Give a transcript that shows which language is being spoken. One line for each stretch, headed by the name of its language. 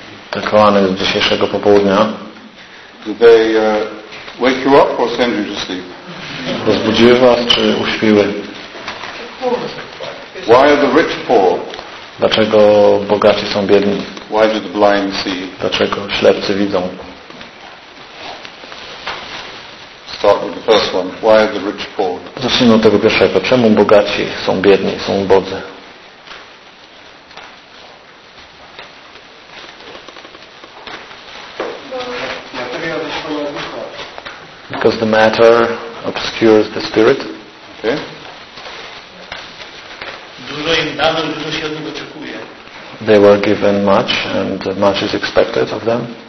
Polish: Te koany z dzisiejszego popołudnia.
English: Do they wake you up or send you to sleep?
Polish: Rozbudziły was czy uśpiły?
English: Why are the rich poor?
Polish: Dlaczego bogaci są biedni?
English: Why do the blind see?
Polish: Dlaczego ślepcy widzą?
English: Start with the first one. Why are the rich poor?
Polish: Zacznijmy od tego pierwszego. Czemu bogaci są biedni, są ubodzy?
English: Because the matter obscures the spirit. Okay.
Polish: Dużo im dano, dużo się od nich oczekuje.
English: They were given much and much is expected of them.